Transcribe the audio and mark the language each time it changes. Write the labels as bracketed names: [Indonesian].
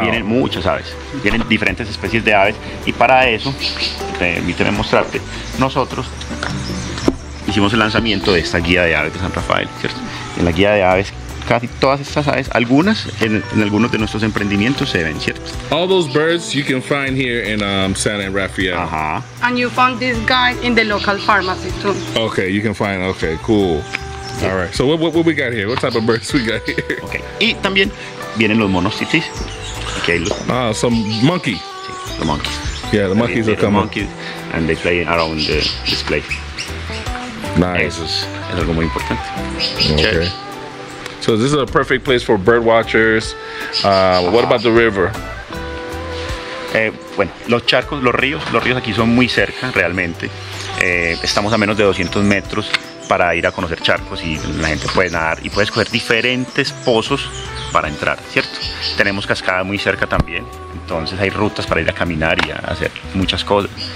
[Spanish] Vienen muchas aves, vienen diferentes especies de aves, y para eso, permíteme mostrarte, nosotros hicimos el lanzamiento de esta guía de aves de San Rafael, ¿cierto? En la guía de aves, casi todas estas aves, algunas en algunos de nuestros emprendimientos se ven, ¿cierto? [English] All those birds you can find here in San Rafael. Ajá. And you found this guy in the local pharmacy too. Okay, you can find, okay, cool. Yeah. All right. So what we got here? What type of birds we got here? [Spanish] Okay. Y también vienen los monos titis. Okay. [English] Ah, some monkey. [Spanish] Sí, [English] the monkeys. Yeah, the monkeys are coming. Monkeys, and they play around the display. Nice. [Spanish] Eso es algo muy importante. [English] Okay. So this is a perfect place for bird watchers. What about the river? [Spanish] Bueno, los charcos, los ríos aquí son muy cerca, realmente. Estamos a menos de 200 metros. Para ir a conocer charcos, y la gente puede nadar y puede escoger diferentes pozos para entrar, ¿cierto? Tenemos cascada muy cerca también, entonces hay rutas para ir a caminar y a hacer muchas cosas.